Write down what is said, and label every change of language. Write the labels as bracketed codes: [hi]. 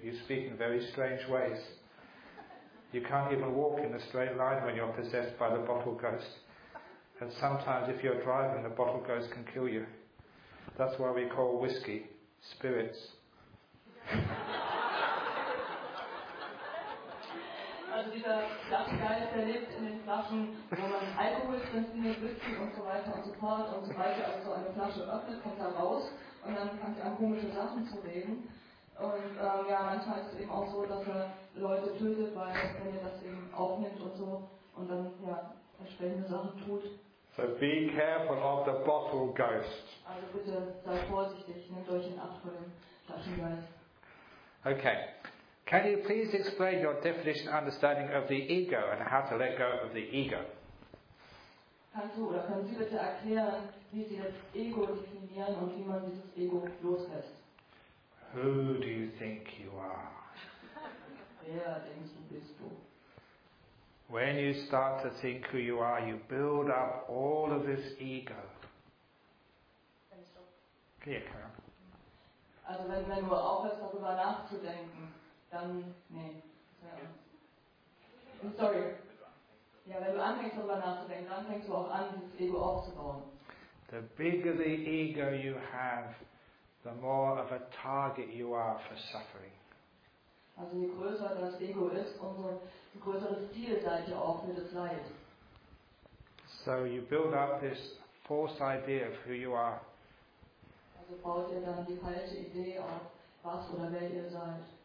[en] You speak in very strange ways. You can't even walk in a straight line when you're possessed by the bottle ghost. And sometimes if you're driving, the bottle ghost can kill you. That's why we call whiskey spirits. [de] Also dieser Flaschengeist, der lebt in den Flaschen, wo man Alkohol transportiert, Whisky und so weiter und so fort und so weiter. Also so eine Flasche öffnet, kommt da raus und dann fängt er an, komische Sachen zu reden. Und ja, manchmal ist es eben auch so, dass er Leute tötet, weil wenn er das eben aufnimmt und so und dann ja entsprechende Sachen tut. [en] So be careful of the bottle ghost. [de] Also bitte sei vorsichtig, nehmt euch in Acht vor dem Flaschengeist. Okay. [en] Can you please explain your definition and understanding of the ego and how to let go of the ego? [de] Kannst du oder können Sie bitte erklären, wie Sie das Ego definieren und wie man dieses Ego loslässt? [en] Who do you think you are? [de] Wer denkst du bist du? [en] When you start to think who you are, you build up all of this ego. Can you come? [de] Also wenn du aufhörst, darüber nachzudenken, dann, nee. [en] I'm sorry. [de] Ja, wenn du anfängst, darüber nachzudenken, dann fängst du auch an, dieses Ego aufzubauen. [en] The bigger the ego you have, the more of a target you are for suffering. [de] Also je größer das Ego ist, umso größeres Ziel seid ihr auch für das Leid. [en] So you build up this false idea of who you are. [de] Also baut ihr dann die falsche Idee auf, was oder wer ihr seid.